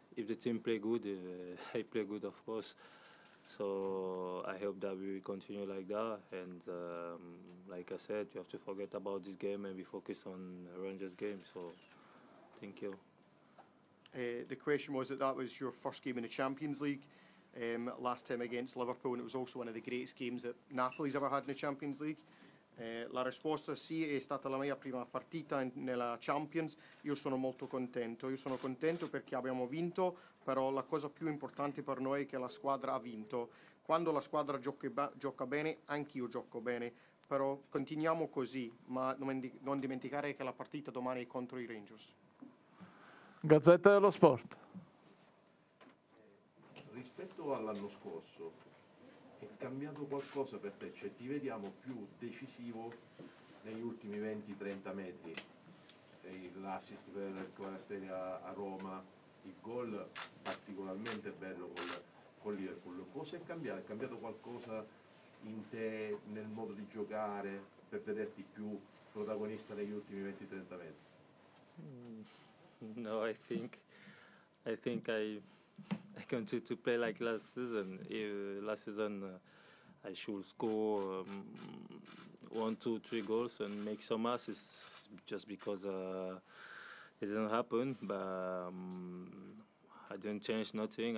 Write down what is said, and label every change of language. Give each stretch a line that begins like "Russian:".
English: If the team play good, I play good, of course. So I hope that we will continue like that and like I said, you have to forget about this game and be focused on Rangers game, so thank you. The question was that was your first game in the Champions League, last time against Liverpool, and it was also one of the greatest games that Napoli's ever had in the Champions League.
Italian: La risposta sì, è stata la mia prima partita nella Champions. Io sono molto contento. Io sono contento perché abbiamo vinto, però la cosa più importante per noi è che la squadra ha vinto. Quando la squadra gioca bene, anch'io gioco bene. Però continuiamo così, ma non dimenticare che la partita domani è contro i Rangers. Gazzetta dello Sport. Rispetto all'anno scorso, è cambiato qualcosa per te? Cioè ti vediamo più decisivo negli ultimi 20-30 metri. L'assist per il Quartieri a Roma, il gol particolarmente bello con Liverpool. Cosa è cambiato? È cambiato qualcosa in te, nel modo di giocare, per vederti più protagonista negli ultimi 20-30 metri?
English: No, I think I think I continue to play like last season. Last season I should score 1, 2, 3 goals and make some assists, just because it didn't happen. But I didn't change nothing.